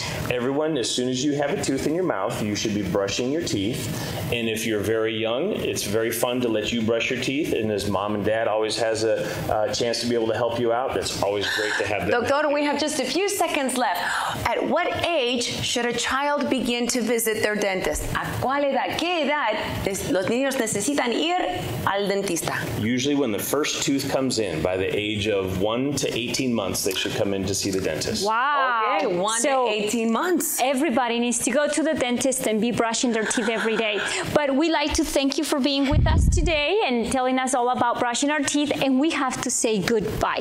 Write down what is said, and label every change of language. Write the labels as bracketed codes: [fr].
[en] Everyone, as soon as you have a tooth in your mouth, you should be brushing your teeth. And if you're very young, it's very fun to let you brush your teeth. And as mom and dad always has a chance to be able to help you out, that's always great to have them. Doctor, we have just a few seconds left. At what age should a child begin to visit their dentist? [es] ¿A cuál edad? ¿Qué edad los niños necesitan ir al dentista? [en] Usually when the first tooth comes in, by the age of 1 to 18 months, they should come in to see the dentist. Wow. Okay, one to 18 months. Everybody needs to go to the dentist and be brushing their teeth every day. But we like to thank you for being with us today and telling us all about brushing our teeth, and we have to say goodbye.